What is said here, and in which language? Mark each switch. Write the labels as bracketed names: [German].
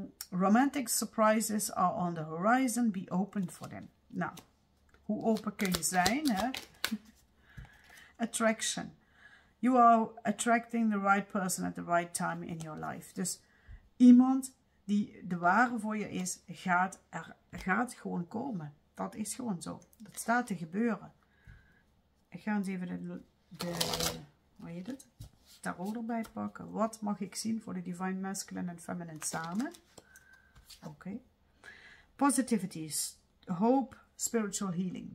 [English] Romantic surprises are on the horizon. Be open for them. [Dutch] Nou, hoe open kun je zijn, hè? [English] Attraction. You are attracting the right person at the right time in your life. [Dutch] Dus iemand die de ware voor je is, gaat gewoon komen. Dat is gewoon zo. Dat staat te gebeuren. Ik ga eens even tarot erbij pakken. Wat mag ik zien voor de Divine Masculine en Feminine samen? Oké. [English] Positivity, hope, spiritual healing.